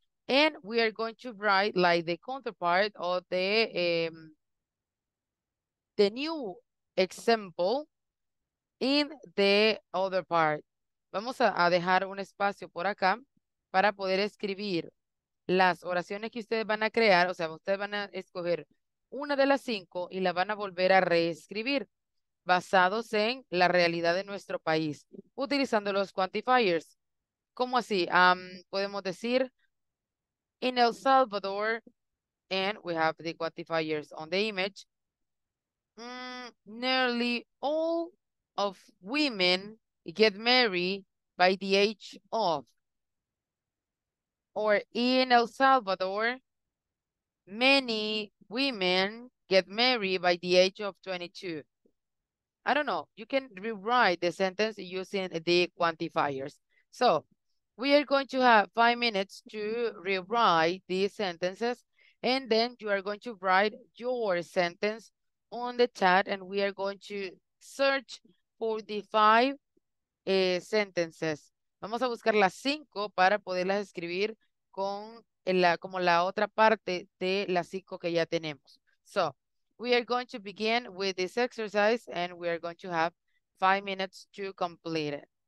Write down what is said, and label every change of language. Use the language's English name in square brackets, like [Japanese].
[English] And we are going to write like the counterpart or the new example in the other part. [Spanish] Vamos a dejar un espacio por acá para poder escribir las oraciones que ustedes van a crear. O sea, ustedes van a escoger una de las cinco y la van a volver a reescribir basados en la realidad de nuestro país, utilizando los quantifiers. ¿Cómo así? Podemos decir, [English] in El Salvador, and we have the quantifiers on the image, nearly all of women get married by the age of, or in El Salvador, many women get married by the age of 22. I don't know, you can rewrite the sentence using the quantifiers. So We are going to have 5 minutes to rewrite these sentences, and then you are going to write your sentence on the chat, and we are going to search for the 5 sentences. [Spanish] Vamos a buscar las 5 para poderlas escribir con la, como la otra parte de las 5 que ya tenemos. [English] So, we are going to begin with this exercise and we are going to have 5 minutes to complete it.